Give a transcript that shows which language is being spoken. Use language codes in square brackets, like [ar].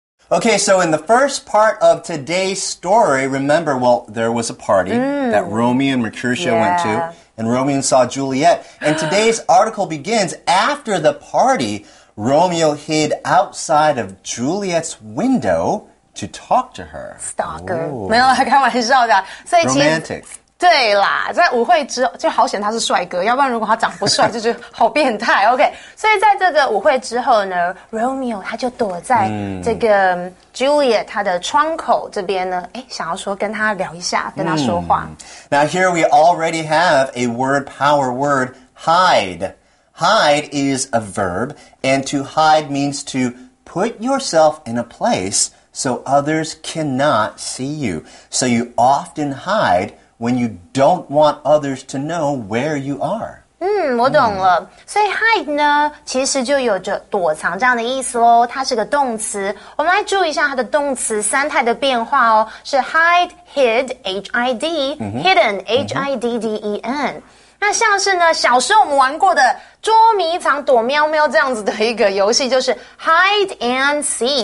[en] Okay, so in the first part of today's story, remember, well, there was a party that Romeo and Mercutio went to, and Romeo saw Juliet. And today's article begins after the party. Romeo hid outside of Juliet's window to talk to her. Stalker. [zh] 没有啦开玩笑的。所以其实 [en] Romantic. [zh] 对啦在舞会之后就好险他是帅哥要不然如果他长不帅就是好变态。 OK, 所以在这个舞会之后呢 Romeo 他就躲在这个 Juliet 他的窗口这边呢想要说跟他聊一下跟他说话。 [en] Now here we already have a word power word, hide. Hide is a verb, and to hide means to put yourself in a place so others cannot see you. So you often hide when you don't want others to know where you are. [zh] 我懂了。所以 hide 呢，其实就有着躲藏这样的意思咯。它是个动词。我们来注意一下它的动词三态的变化哦。 [en] 是 hide, hid, H-I-D, hidden, H-I-D-D-E-N. [zh] 那像是呢小时候我们玩过的捉迷藏躲喵喵这样子的一个游戏就是 [en] hide and seek.